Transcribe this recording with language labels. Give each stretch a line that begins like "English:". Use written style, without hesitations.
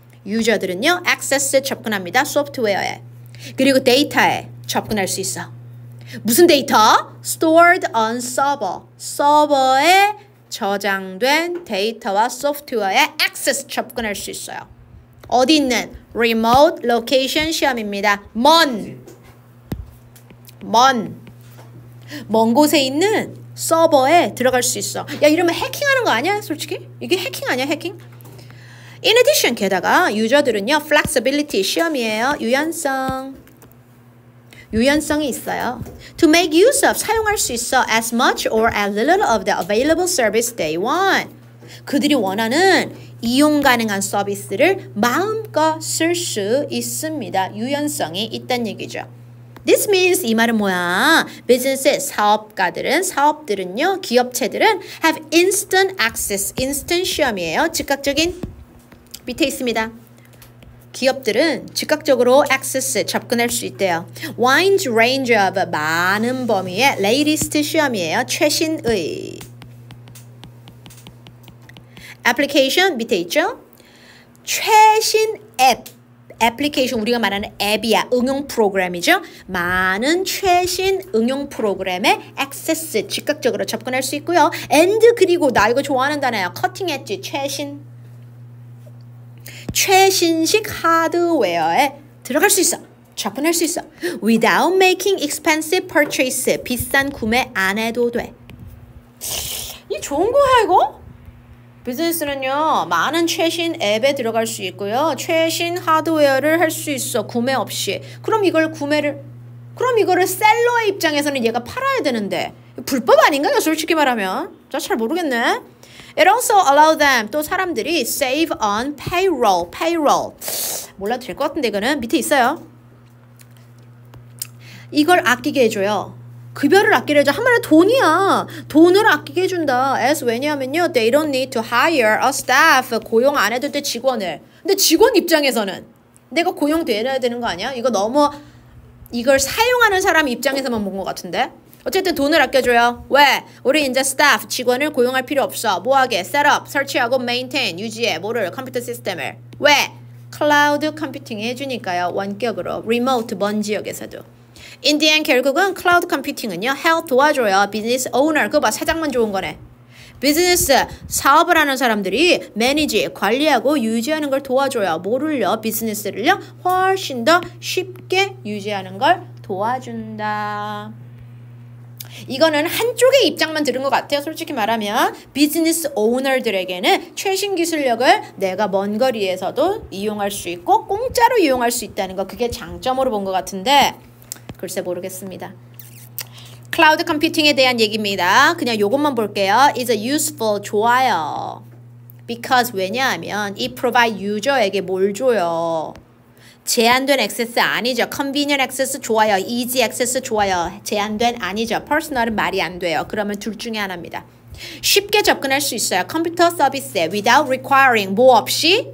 Korean: 유저들은요 액세스 접근합니다. 소프트웨어에 그리고 데이터에 접근할 수 있어. 무슨 데이터?
English: Stored on server.
Korean: 서버에 저장된 데이터와 소프트웨어에 access 접근할 수 있어요. 어디 있는?
English: Remote location
Korean: 시험입니다. 먼. 먼. 먼 곳에 있는 서버에 들어갈 수 있어. 야, 이러면 해킹하는 거 아니야? 솔직히? 이게 해킹 아니야? 해킹?
English: In addition,
Korean: 게다가 유저들은요. Flexibility 시험이에요. 유연성. 유연성이 있어요.
English: To make use of,
Korean: 사용할 수 있어.
English: As much or as little of the available service they want.
Korean: 그들이 원하는 이용 가능한 서비스를 마음껏 쓸 수 있습니다. 유연성이 있다는 얘기죠.
English: This means,
Korean: 이 말은 뭐야?
English: Businesses,
Korean: 사업가들은, 사업들은요, 기업체들은
English: have instant access, instant
Korean: 시험이에요. 즉각적인 밑에 있습니다. 기업들은 즉각적으로 access 접근할 수 있대요.
English: Wide range of
Korean: 많은 범위의
English: latest
Korean: 시험이에요. 최신의 application 밑에 있죠? 최신 앱 application 우리가 말하는 앱이야. 응용 프로그램이죠. 많은 최신 응용 프로그램에 access 즉각적으로 접근할 수 있고요. And 그리고 나 이거 좋아하는 단어야.
English: cutting edge
Korean: 최신 최신식 하드웨어에 들어갈 수 있어. 접근할 수 있어.
English: Without making expensive purchase.
Korean: 비싼 구매 안 해도 돼. 이 좋은 거야 이거? 비즈니스는요, 많은 최신 앱에 들어갈 수 있고요. 최신 하드웨어를 할 수 있어. 구매 없이. 그럼 이걸 구매를, 그럼 이거를 셀러의 입장에서는 얘가 팔아야 되는데. 불법 아닌가요? 솔직히 말하면. 저 잘 모르겠네.
English: It also allow them,
Korean: 또 사람들이
English: save on payroll. Payroll.
Korean: 몰라도 될 것 같은데, 이거는. 밑에 있어요. 이걸 아끼게 해줘요. 급여를 아끼게 해줘. 한마디로 돈이야. 돈을 아끼게 해준다.
English: As
Korean: 왜냐하면요,
English: they don't need to hire a staff.
Korean: 고용 안 해도 돼, 직원을. 근데 직원 입장에서는 내가 고용되어야 되는 거 아니야? 이거 너무 이걸 사용하는 사람 입장에서만 본 것 같은데. 어쨌든 돈을 아껴줘요. 왜? 우리 이제 스태프, 직원을 고용할 필요 없어. 뭐하게? 셋업, 설치하고 메인테인, 유지해. 뭐를? 컴퓨터 시스템을. 왜? 클라우드 컴퓨팅 해주니까요. 원격으로. 리모트, 먼 지역에서도.
English: In the end,
Korean: 결국은 클라우드 컴퓨팅은요. Help 도와줘요. 비즈니스 오너. 그거 봐, 사장만 좋은 거네. 비즈니스, 사업을 하는 사람들이 매니지, 관리하고 유지하는 걸 도와줘요. 뭐를요? 비즈니스를요. 훨씬 더 쉽게 유지하는 걸 도와준다. 이거는 한쪽의 입장만 들은 것 같아요. 솔직히 말하면 비즈니스 오너들에게는 최신 기술력을 내가 먼 거리에서도 이용할 수 있고 공짜로 이용할 수 있다는 거, 그게 장점으로 본 것 같은데 글쎄 모르겠습니다. 클라우드 컴퓨팅에 대한 얘기입니다. 그냥 이것만 볼게요.
English: It's a useful,
Korean: 좋아요.
English: Because
Korean: 왜냐하면
English: it provide user에게
Korean: 뭘 줘요? 제한된 액세스 아니죠. Convenient 액세스 좋아요. Easy 액세스 좋아요. 제한된 아니죠. Personal은 말이 안 돼요. 그러면 둘 중에 하나입니다. 쉽게 접근할 수 있어요. 컴퓨터 서비스에
English: without requiring
Korean: 뭐 없이?